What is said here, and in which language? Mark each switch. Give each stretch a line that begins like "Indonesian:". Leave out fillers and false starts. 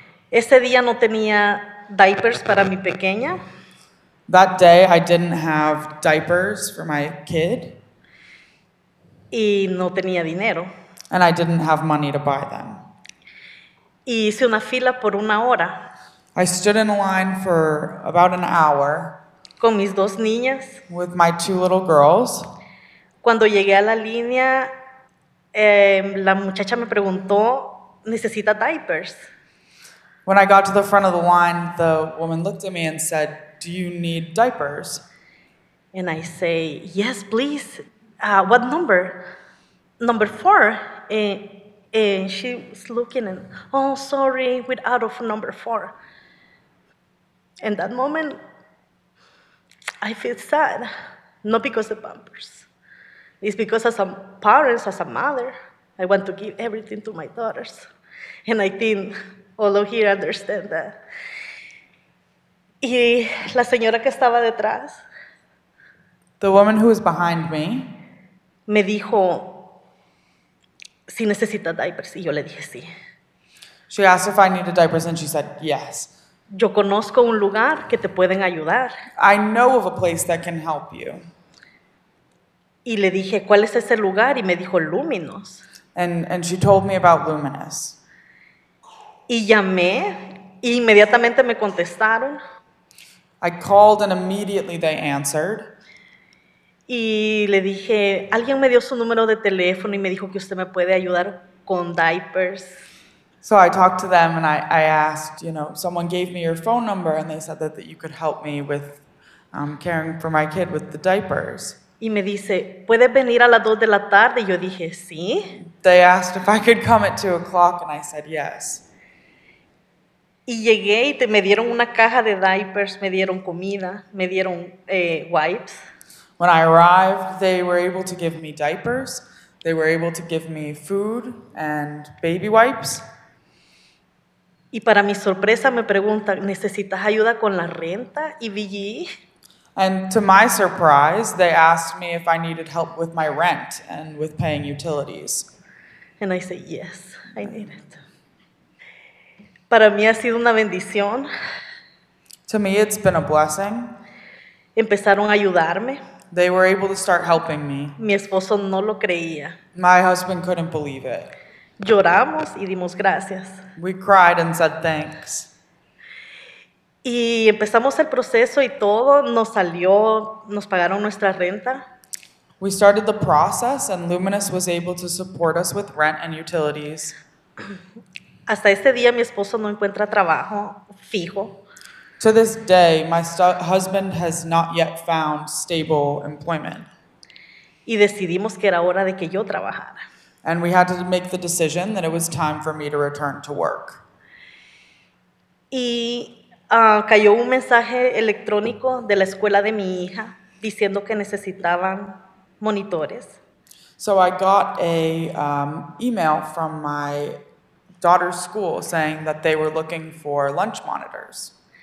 Spanish: Ese día no tenía diapers para mi pequeña.
English: That day, I didn't have diapers for my kid.
Spanish: Y no tenía dinero.
English: And I didn't have money to buy them.
Spanish: Y hice una fila por una hora.
English: I stood in a line for about an hour.
Spanish: Con mis dos niñas.
English: With my two little girls.
Spanish: Cuando llegué a la línea, la muchacha me preguntó, ¿necesita diapers?
English: When I got to the front of the line, the woman looked at me and said, do you need diapers? And I say, yes, please. What number? Number 4. And she was looking and, oh, sorry, we're out of number 4. In that moment, I feel sad, not because of Pampers. It's because as a parent, as a mother, I want to give everything to my daughters. And I think all of here understand that.
Spanish: Y la señora que estaba detrás.
English: The woman who is behind me.
Spanish: Me dijo, si necesita diapers, y yo le dije sí.
English: She asked if I needed diapers and she said yes.
Spanish: Yo conozco un lugar que te pueden ayudar.
English: I know of a place that can help you.
Spanish: Y le dije, ¿cuál es ese lugar? Y me dijo, Luminous.
English: And she told me about Luminous.
Spanish: Y llamé, y inmediatamente me contestaron.
English: I called and immediately they answered.
Spanish: Y le dije, alguien me dio su número de teléfono y me dijo que usted me puede ayudar con diapers.
English: So I talked to them and I asked, you know, someone gave me your phone number and they said that you could help me with caring for my kid with the diapers.
Spanish: Y me dice, ¿puedes venir a las 2 de la tarde? Y yo dije, sí.
English: They asked if I could come at 2 o'clock and I said yes.
Spanish: Y llegué y me dieron una caja de diapers, me dieron comida, me dieron wipes.
English: When I arrived, they were able to give me diapers. They were able to give me food and baby wipes.
Spanish: Y para mi sorpresa me preguntan, ¿necesitas ayuda con la renta y VGE?
English: And to my surprise, they asked me if I needed help with my rent and with paying utilities. And I said, yes, I need it.
Spanish: Para mí ha sido una bendición.
English: To me, it's been a blessing.
Spanish: Empezaron a ayudarme.
English: They were able to start helping me.
Spanish: Mi esposo no lo creía.
English: My husband couldn't believe it.
Spanish: Lloramos y dimos gracias.
English: We cried and said thanks.
Spanish: Y empezamos el proceso y todo nos salió, nos pagaron nuestra renta.
English: We started the process and Luminous was able to support us with rent and utilities.
Spanish: Hasta este día mi esposo no encuentra trabajo fijo.
English: To this day, my husband has not yet found stable employment.
Spanish: Y decidimos que era hora de que yo trabajara.
English: And we had to make the decision that it was time for me to return to work.
Spanish: Y cayó un mensaje electrónico de la escuela de mi hija diciendo que necesitaban monitores.
English: So I got an email from my daughter's school saying that they were looking for lunch monitors.